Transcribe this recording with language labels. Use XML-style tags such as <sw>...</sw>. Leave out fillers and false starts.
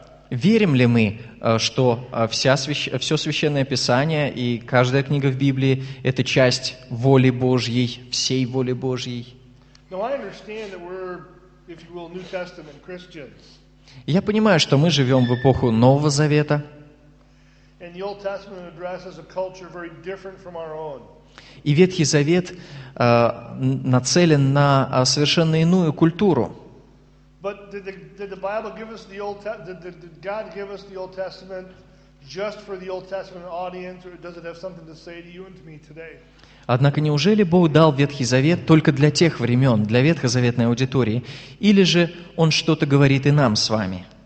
<ru>Верим ли мы, что все Священное Писание и каждая книга в Библии — это часть воли Божьей, всей воли Божьей?</ru> <en>Now, I understand that we're, if you will, New Testament Christians.</en> <ru>Я понимаю, что мы живем в эпоху Нового Завета.</ru> <en>And the Old Testament addresses a culture very different from our own.</en> <ru>И Ветхий Завет нацелен на совершенно иную культуру.</ru> <en>But did the Bible give us the Old Testament? Did God give us the Old Testament just for the Old Testament audience, or does it have something to say to you and to me today?</en> <ru>Однако неужели Бог дал Ветхий Завет только для тех времен, для ветхозаветной аудитории, или же Он что-то говорит и нам с вами?</ru>